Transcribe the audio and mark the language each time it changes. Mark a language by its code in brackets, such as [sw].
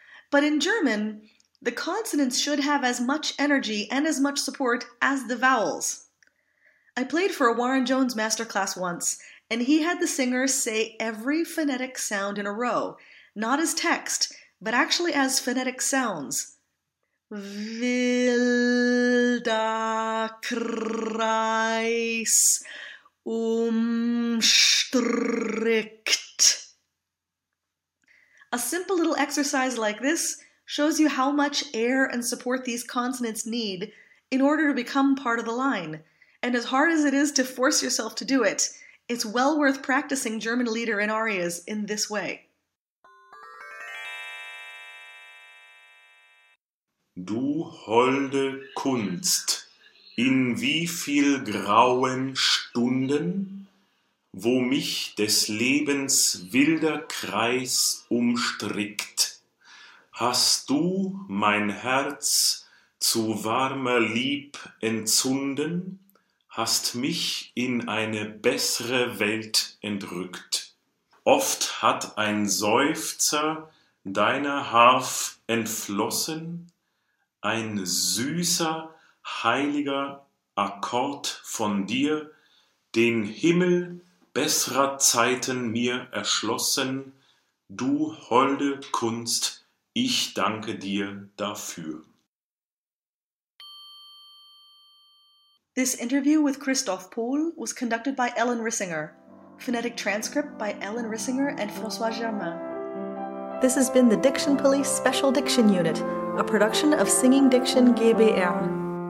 [en] But in German, the consonants should have as much energy and as much support as the vowels. I played for a Warren Jones masterclass once, and he had the singers say every phonetic sound in a row, not as text, but actually as phonetic sounds. [de] Wilder Kreis umstrickt. [en] A simple little exercise like this shows you how much air and support these consonants need in order to become part of the line. And as hard as it is to force yourself to do it, it's well worth practicing German leader in arias in this way. [de] Du holde Kunst, in wie viel grauen Stunden, wo mich des Lebens wilder Kreis umstrickt, hast du mein Herz zu warmer Lieb entzunden, hast mich in eine bessere Welt entrückt. Oft hat ein Seufzer deiner Harf entflossen, ein süßer, heiliger Akkord von dir, den Himmel besserer Zeiten mir erschlossen, du holde Kunst, ich danke dir dafür. [en] This interview with Christoph Pohl was conducted by Ellen Rissinger. Phonetic transcript by Ellen Rissinger and François Germain. This has been the Diction Police Special Diction Unit, a production of Singing Diction GbR.